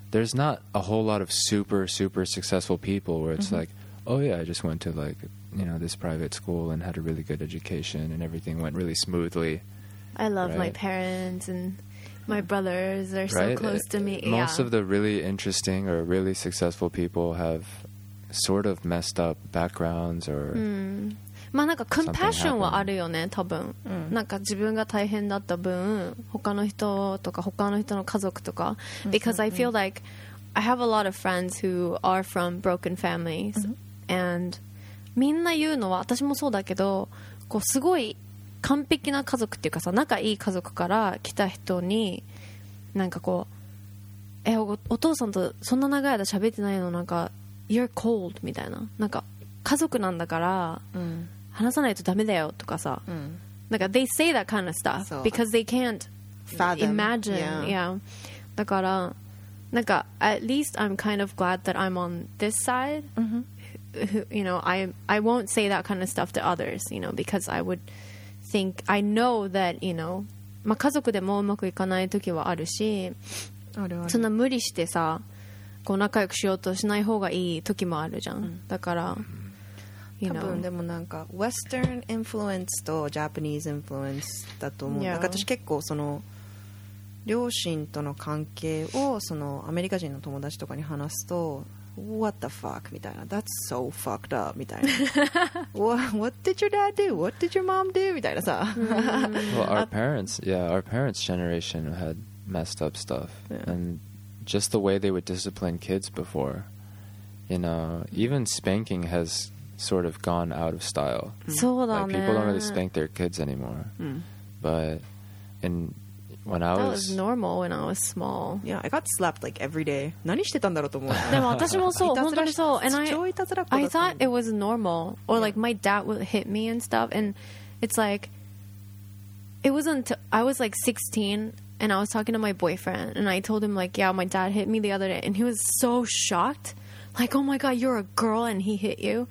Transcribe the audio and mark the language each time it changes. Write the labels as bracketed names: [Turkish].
[English] There's not a whole lot of super, super successful people where it's、mm-hmm. like, oh yeah, I just went to like, you know, this private school and had a really good education and everything went really smoothly. I love、right? my parents and my brothers are、 right? so close to me. Most、 yeah. of the really interesting or really successful people have sort of messed up backgrounds or、 mm. [Japanese] まあ、なんか compassion はあるよね、多分、 mm. なんか自分が大変だった分他の人とか他の人の家族とか、mm-hmm. [English] because I feel like I have a lot of friends who are from broken families、 mm-hmm. [Japanese] and みんな言うのは私もそうだけどこうすごい完璧な家族っていうかさ仲いい家族から来た人になんかこうお父さんとそんな長い間喋ってないのなんか [English] You're cold [Japanese] みたいななんか家族なんだから、うん、話さないとダメだよとかさ、うん、 [English] なんか they say that kind of stuff because they can't fathom imagine yeah. yeah [Japanese] だからなんか [English] at least I'm kind of glad that I'm on this side、 mm-hmm. you know I won't say that kind of stuff to others you know because I would think I know that you know [Japanese] まあ家族でもうまくいかない時はあるしあるあるそんな無理してさこう仲良くしようとしない方がいい時もあるじゃん、うん、だから多分でもなんか Western influence と Japanese influence だと思う、yeah. なんか私結構その両親との関係をそのアメリカ人の友達とかに話すと [English] What the fuck [Japanese] みたいな [English] That's so fucked up [Japanese] みたいな [English] What did your dad do? What did your mom do? [Japanese] みたいなさ、 [English] well, our parents Yeah, our parents' generation had messed up stuff、 yeah. andJust the way they would discipline kids before, you know, even spanking has sort of gone out of style. [Japanese] そうだね。 [English] Like, people don't really spank their kids anymore. Mm. But in, when I was... That was normal when I was small. Yeah, I got slapped like every day. [Japanese] 何してたんだろうと思う。でも私もそう、本当にそう。 [English] And I thought it was normal. Or like my dad would hit me and stuff. And it's like, it wasn't, I was like 16. And I was talking to my boyfriend, and I told him, like, yeah, my dad hit me the other day. And he was so shocked. Like, oh, my God, you're a girl, and he hit you?